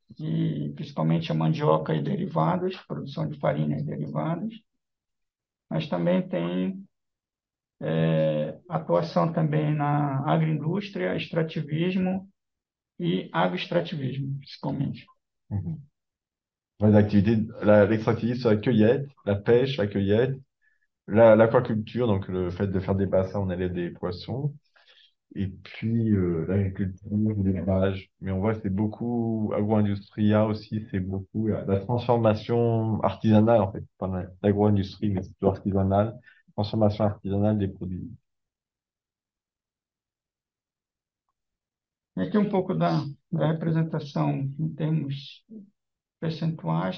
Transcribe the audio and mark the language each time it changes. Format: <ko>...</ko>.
<pt>E principalmente a mandioca e derivados, produção de farinha e derivados, mas também tem atuação também na agroindústria, extrativismo e agroextrativismo, principalmente.</pt> <fr>L'extractivisme, la cueillette, la pêche, la cueillette, l'aquaculture, donc le fait de faire des bassins, on élève des poissons, et puis l'agriculture, l'élevage. Mais on voit que c'est beaucoup agro-industria aussi, c'est beaucoup la transformation artisanale, en fait, pas l'agro-industrie, mais plutôt artisanale, transformation artisanale des produits.</fr> <pt>Aqui um pouco da representação em termos percentuais.</pt>